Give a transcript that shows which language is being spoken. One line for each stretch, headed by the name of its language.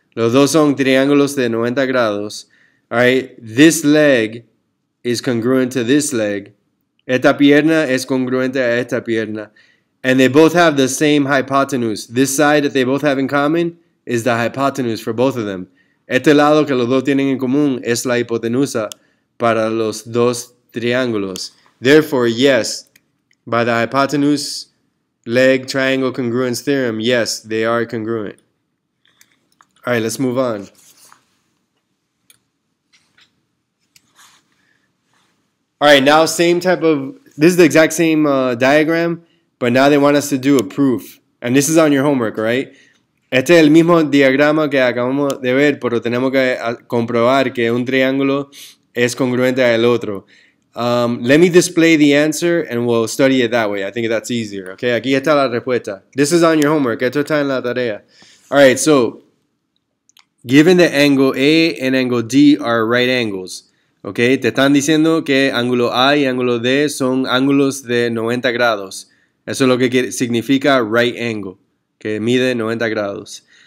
Spanish: Los dos son triángulos de 90 grados.
English: All right, this leg is congruent to this leg.
Spanish: Esta pierna es congruente a esta pierna.
English: And they both have the same hypotenuse. This side that they both have in common is the hypotenuse for both of them.
Spanish: Este lado que los dos tienen en común es la hipotenusa para los dos triángulos.
English: Therefore, yes, by the hypotenuse leg triangle congruence theorem, yes, they are congruent. All right, let's move on. All right, now same type of, this is the exact same diagram, but now they want us to do a proof. And this is on your homework, right?
Spanish: Este es el mismo diagrama que acabamos de ver, pero tenemos que comprobar que un triángulo es congruente al otro.
English: Let me display the answer and we'll study it that way. I think that's easier, okay?
Spanish: Aquí está la respuesta.
English: This is on your homework.
Spanish: Esto está en la tarea.
English: All right, so given that angle A and angle D are right angles, okay?
Spanish: Te están diciendo que ángulo A y ángulo D son ángulos de 90 grados. Eso es lo que significa right angle, que mide 90 grados.